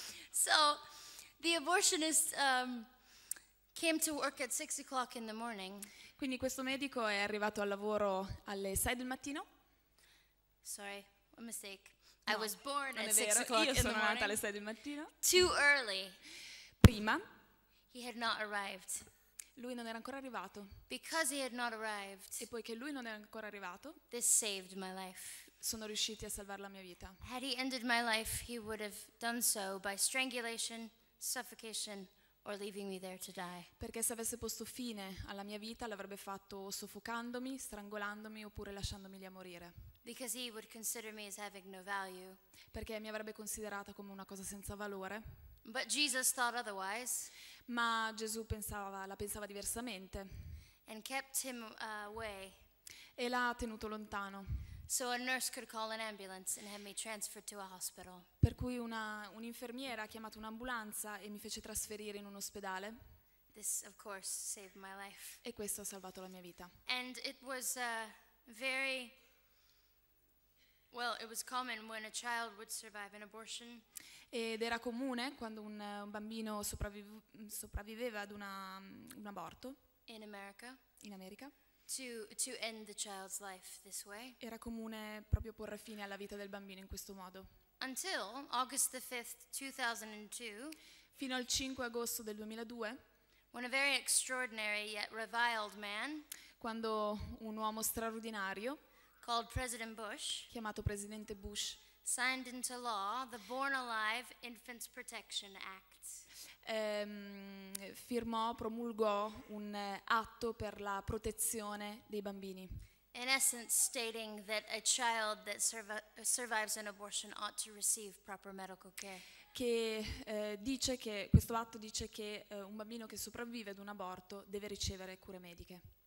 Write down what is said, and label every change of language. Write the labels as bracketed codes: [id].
[en] So the abortionist came to work at 6 o'clock in the morning. [it] Quindi questo medico è arrivato al lavoro alle 6 del mattino. [en] Sorry, a mistake. No, I was born at 6 o'clock in the morning. [it] Io sono nata alle 6 del mattino. [en] Too early. [it] Prima. [en] He had not arrived. [it] Lui non era ancora arrivato. [en] Because he had not arrived. [it] E poiché lui non era ancora arrivato. [en] This saved my life. [it] Sono riusciti a salvare la mia vita. [en] Had he ended my life, he would have done so by strangulation, suffocation, or leaving me there to die. [it] Perché se avesse posto fine alla mia vita, l'avrebbe fatto soffocandomi, strangolandomi oppure lasciandomi lì a morire. [en] Because he would consider me as having no value. [it] Perché mi avrebbe considerata come una cosa senza valore. [en] But Jesus thought otherwise. [it] Ma Gesù pensava, la pensava diversamente. [en] And kept him away. [it] E l'ha tenuto lontano. [en] So a nurse could call an ambulance and have me transferred to a hospital. [it] Per cui un'infermiera ha chiamato un'ambulanza e mi fece trasferire in un ospedale. [en] This of course saved my life. [it] E questo ha salvato la mia vita. [en] And it was very well, it was common when a child would survive an abortion. [it] Ed era comune quando un bambino sopravviveva ad un aborto. [en] In America. [it] In America. [en] To end the child's life this way. [it] Era comune proprio porre fine alla vita del bambino in questo modo. [en] Until August the 5th, 2002. [it] Fino al 5 agosto del 2002. [en] When a very extraordinary yet reviled man. [it] Quando un uomo straordinario. [en] Called President Bush. [it] Chiamato Presidente Bush. [en] Signed into law the Born Alive Infants Protection Act. [it] Firmò, promulgò un atto per la protezione dei bambini. [en] In essence, stating that a child that survives an abortion ought to receive proper medical care. [it] Che dice che questo atto dice che un bambino che sopravvive ad un aborto deve ricevere cure mediche.